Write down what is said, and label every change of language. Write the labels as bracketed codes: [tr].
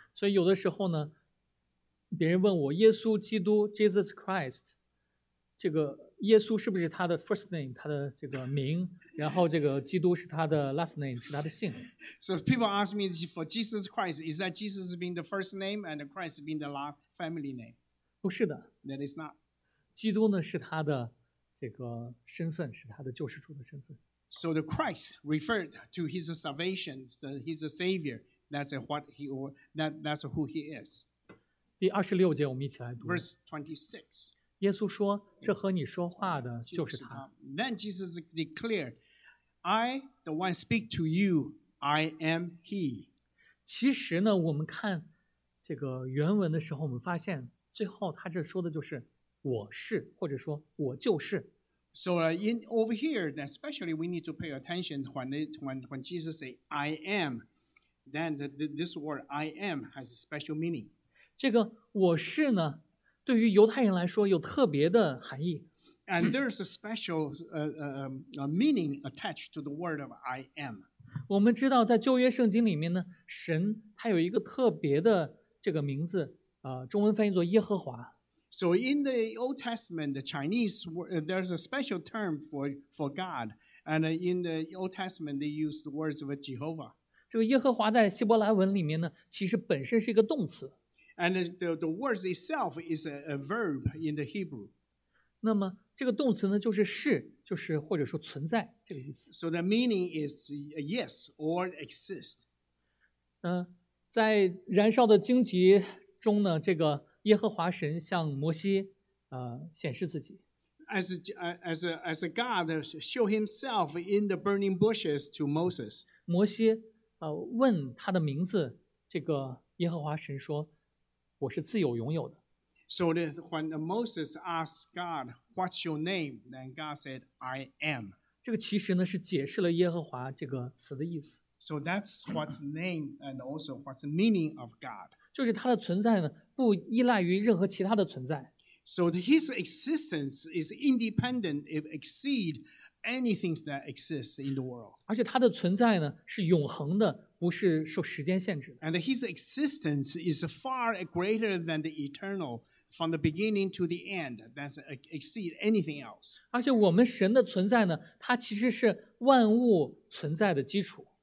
[zh] 所以有的时候呢，别人问我耶稣基督 Jesus Christ， 这个耶稣是不是他的 first name， 他的这个名，然后这个基督是他的 last name， 是他的姓。 [en] So people ask me for Jesus Christ， is that Jesus being the first name and Christ being the last family name？ [zh] 不是的。 [en] That is not. [zh] 基督呢是他的这个身份，是他的救世主的身份。 [en] So the Christ referred to his salvation, his savior. That's what he or that's who he is. [zh] 第二十六节，我们一起来读。 [en] Verse 26. [zh] 耶稣说：“这和你说话的就是他。” [en] Then Jesus declared, "I, the one speak to you, I am he." [zh] 其实呢，我们看这个原文的时候，我们发现最后他这说的就是“我是”或者说“我就是”。 [en] So in over here, especially we need to pay attention when Jesus say "I am," then this word "I am" has a special meaning. [zh] 这个我是呢，对于犹太人来说有特别的含义。 [en] And there's a special meaning attached to the word of "I am." [zh] 我们知道在旧约圣经里面呢，神他有一个特别的这个名字，中文翻译作耶和华。 [en] So in the Old Testament, the Chinese, there's a special term for God. And in the Old Testament, they use the words of Jehovah. [zh] 这个耶和华在希伯来文里面呢，其实本身是一个动词。 [en] And the words itself is a verb in the Hebrew. [zh] 那么这个动词呢，就是是，就是或者说存在这个意思。 [en] So the meaning is yes or exist. [zh] 在燃烧的荆棘中呢，这个耶和华神向摩西，显示自己。 [en] As a God show himself in the burning bushes to Moses. [zh] 摩西，问他的名字，这个耶和华神说，我是自有拥有的。 [en] So when Moses asked God, "What's your name?" Then God said, "I am." [zh] 这个其实呢是解释了耶和华这个词的意思。 [en] So that's what's name and also what's the meaning of God. [zh] 就是他的存在呢。不依赖于任何其他的存在。 [en] So his existence is independent, it exceeds anything that exists in the world. [zh] 而且他的存在呢是永恒的，不是受时间限制。 [en] And his existence is far greater than the eternal, from the beginning to the end, that's exceed anything else. [zh] 而且我们神的存在呢，它其实是万物存在的基础。